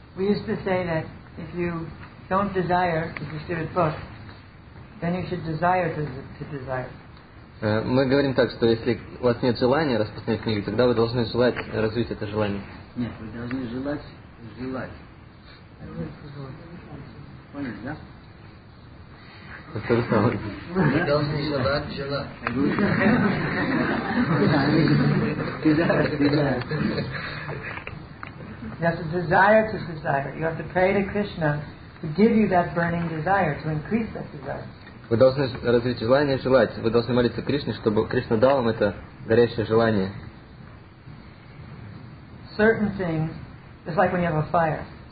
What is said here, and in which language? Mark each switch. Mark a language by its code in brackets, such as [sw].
[en] If you don't desire to distribute the book, then you should desire to desire. [ru] Мы говорим так, что если у вас нет желания распространять книги, тогда вы должны желать развить это желание. Нет, вы должны желать. Поняли, да? Повторю снова. Вы должны желать. [en] You have to desire to desire. You have to pray to Krishna to give you that burning desire, to increase that desire. [ru] Вы должны развить желание желать. Вы должны молиться Кришне, чтобы Кришна дал вам это горящее желание. [en] Certain things, it's like when you have a fire.